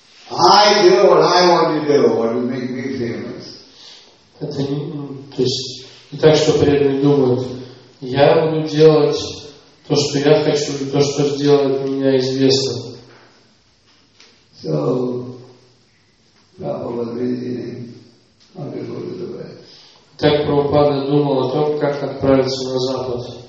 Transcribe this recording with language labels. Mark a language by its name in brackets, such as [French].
[English] I do what I want to do, what will make me famous. [Russian] Это не, то есть, не так, что преданные думают. Я буду делать то, что я хочу, и то, что сделает меня известным. [English] So, Prabhupada reasoning, I'll go to the West. [Russian] Так Прабхупада думал о том, как отправиться на Запад.